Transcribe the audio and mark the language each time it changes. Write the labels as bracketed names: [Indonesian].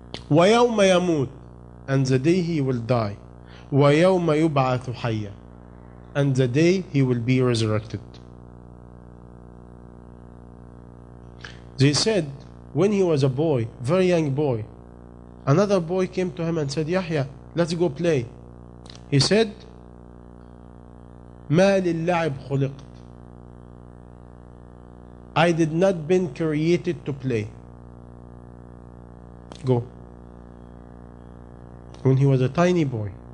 [Arabic] ويوم يموت, [English] and the day he will die. [Arabic] ويوم يبعث حيا, [English] and the day he will be resurrected. They said, when he was a boy, very young boy, another boy came to him and said, Yahya, let's go play. He said, [Arabic] ما للعب خلقت. [English] I did not been created to play. Go. When he was a tiny boy.